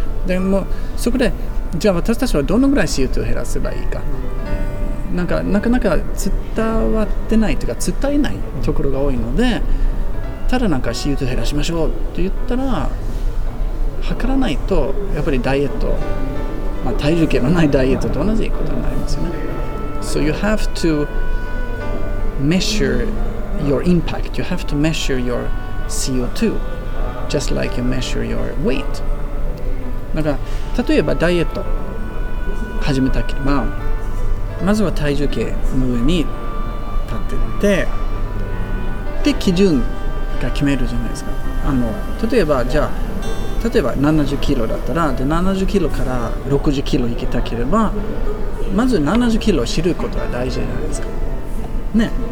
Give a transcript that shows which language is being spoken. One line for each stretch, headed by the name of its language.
Japanese: でもそこでじゃあ私たちはどのぐらい CO2 を減らせばいいか、なかなか伝わってないというか伝えないところが多いので、ただなんか CO2 減らしましょうと言ったら測らないとやっぱりダイエット、体重計のないダイエットと同じことになりますよね。
English: So you have to measure your impact. You have to measure your CO2 just like you measure your weight.
Japanese: なんか例えばダイエット始めたければまずは体重計の上に立っていってで基準が決めるじゃないですか。例えばじゃあ例えば70キロだったらで70キロから60キロ行きたければまず70キロを知ることが大事じゃないですかね。